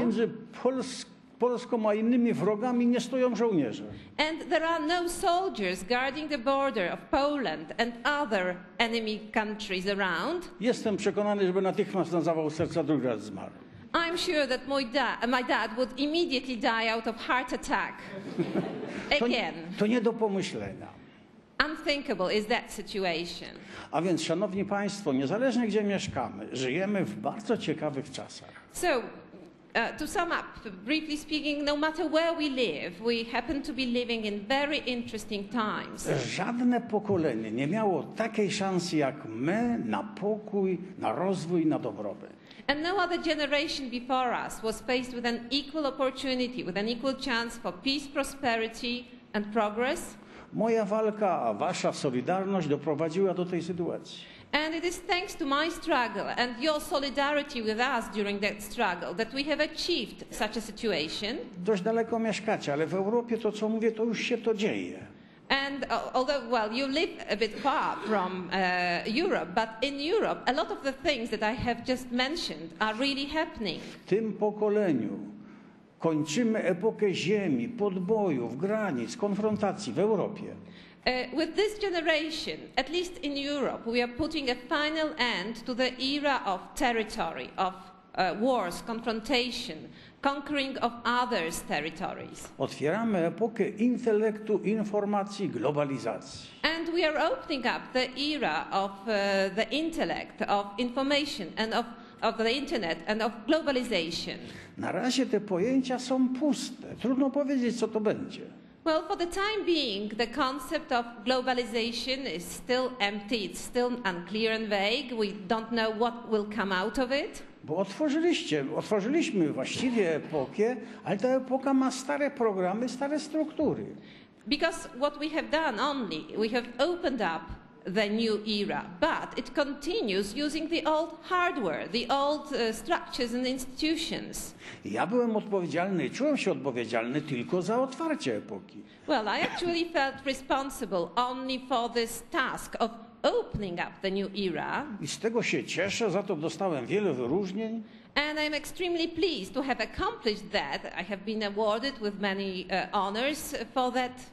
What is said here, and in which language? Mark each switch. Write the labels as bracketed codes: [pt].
[pl] Między Polską a innymi wrogami nie stoją żołnierze. [en] And there are no soldiers guarding the border of Poland and other enemy countries around. [pl] Jestem przekonany, żeby natychmiast na zawał serca drugi raz zmarł. [en] I'm sure that my dad would immediately die out of heart attack again. [pl] To nie do pomyślenia. [en] Unthinkable is that situation. [pl] A więc, szanowni państwo, niezależnie gdzie mieszkamy, żyjemy w bardzo ciekawych czasach. [en] So, to sum up, briefly speaking, no matter where we live, we happen to be living in very interesting times. [pl] Żadne pokolenie nie miało takiej szansy jak my na pokój, na rozwój, na dobrobyt. [en] And no other generation before us was faced with an equal opportunity, with an equal chance for peace, prosperity and progress. [pl] Moja walka, a wasza solidarność doprowadziła do tej sytuacji. [en] And it is thanks to my struggle and your solidarity with us during that struggle that we have achieved such a situation. [pl] Dość daleko mieszkacie, ale w Europie to, co mówię, to już się to dzieje. [en] And although, well, you live a bit far from Europe, but in Europe a lot of the things that I have just mentioned are really happening. [pl] W tym pokoleniu kończymy epokę ziemi, podbojów, granic, konfrontacji w Europie. [en] With this generation, at least in Europe, we are putting a final end to the era of territory, of wars, confrontation, conquering of others' territories. [pl] Otwieramy epokę intelektu, informacji, globalizacji. [en] And we are opening up the era of the intellect, of information and of the internet and of globalization. [pl] Na razie te pojęcia są puste. Trudno powiedzieć, co to będzie. [en] Well, for the time being, the concept of globalization is still empty. It's still unclear and vague. We don't know what will come out of it. [pl] Bo otworzyliśmy właściwie epokę, ale ta epoka ma stare programy, stare struktury. [en] Because what we have done only, we have opened up the new era, but it continues using the old hardware, the old structures and institutions. [pl] Ja byłem odpowiedzialny, czułem się odpowiedzialny tylko za otwarcie epoki. [en] Well, I actually felt responsible only for this task of opening up the new era. [pl] I z tego się cieszę, za to dostałem wiele wyróżnień. [en] And I'm extremely pleased to have accomplished that. I have been awarded with many honors for that.